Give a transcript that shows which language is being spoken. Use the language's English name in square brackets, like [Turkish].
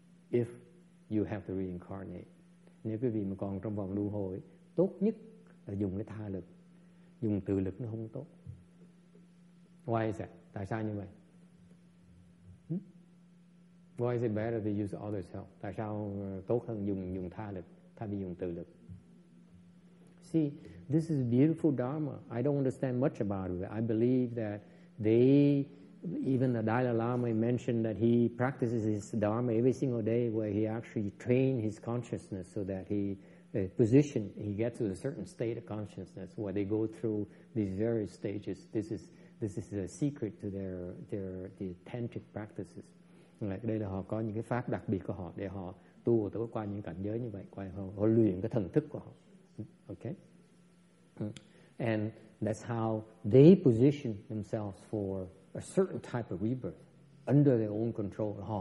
[English] If you have to reincarnate, [Vietnamese] nếu quý vị mà còn trong vòng luân hồi, tốt nhất là dùng cái tha lực, dùng tự lực nó không tốt. [English] Why is that? [Vietnamese] Tại sao như vậy? [English] Why is it better to use others' help? [Vietnamese] Tại sao tốt hơn dùng tha lực thay vì dùng tự lực? [English] See, this is a beautiful dharma. I don't understand much about it. I believe that even the Dalai Lama mentioned that he practices his dharma every single day, where he actually trains his consciousness so that he he gets to a certain state of consciousness where they go through these various stages. This is a secret to their tantric practices. [Vietnamese] Like đây là họ có những cái pháp đặc biệt của họ để họ tu qua những cảnh giới như vậy, qua họ luyện cái thần thức của họ. [English] Okay, and that's how they position themselves for a certain type of rebirth under their own control.